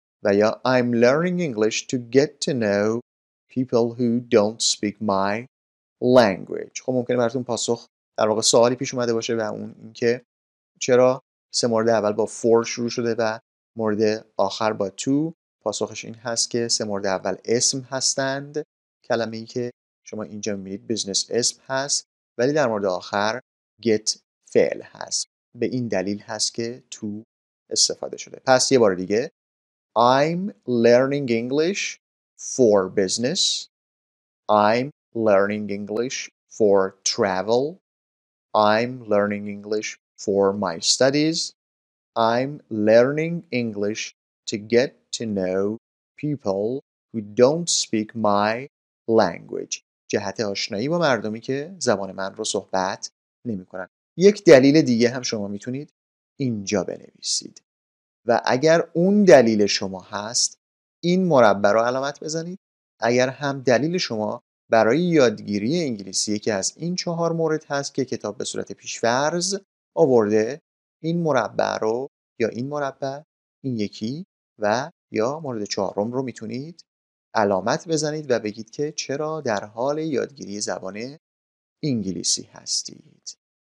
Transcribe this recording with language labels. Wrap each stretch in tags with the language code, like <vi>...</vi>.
<fa>و یا</fa> <en>I'm learning English to get to know people who don't speak my language.</en> <fa>خب ممکنه براتون پاسخ در واقع سوالی پیش اومده باشه و اون اینکه چرا سه مورد اول با for شروع شده و مورد آخر با to. پاسخش این هست که سه مورد اول اسم هستند، کلمه‌ای که شما اینجا می‌بینید business اسم هست، ولی در مورد آخر get فعل هست، به این دلیل هست که to استفاده شده. پس یه بار دیگه</fa> <en>I'm learning English for business. I'm learning English for travel. I'm learning English for my studies. I'm learning English to get to know people who don't speak my language.</en> <fa>جهت آشنایی با مردمی که زبان من رو صحبت نمی کنن. یک دلیل دیگه هم شما میتونید اینجا بنویسید و اگر اون دلیل شما هست این مربع رو علامت بزنید. اگر هم دلیل شما برای یادگیری انگلیسی یکی از این چهار مورد هست که کتاب به صورت پیش‌فرض آورده، این مربع رو یا این مربع، این یکی و یا مورد چهارم رو میتونید علامت بزنید و بگید که چرا در حال یادگیری زبان انگلیسی هستید.</fa>